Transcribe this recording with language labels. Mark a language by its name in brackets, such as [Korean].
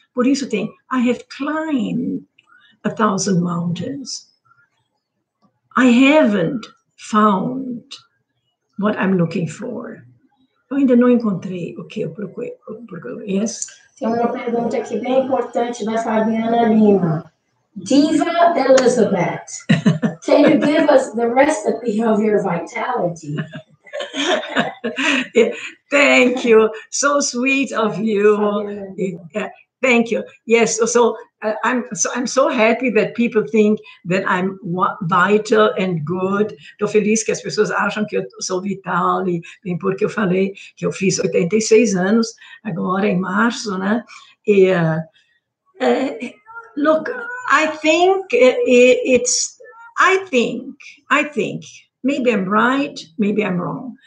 [Portuguese] Por isso tem, [English] I have climbed 1,000 mountains. I haven't found what I'm looking for. [Portuguese] Eu ainda não encontrei o que eu procuro. [English] Yes? [Portuguese] Tem uma pergunta aqui bem importante da Fabiana Lima. [English] Diva Elizabeth, can you give us the recipe of your vitality? Yeah, thank you. So sweet of you. Thank you. Yes, I'm so happy that people think that I'm vital and good. [Portuguese] Estou feliz que as pessoas acham que eu sou vital, e bem porque eu falei que eu fiz 86 anos agora em março, né? [English] E look, I think, maybe I'm right, maybe I'm wrong.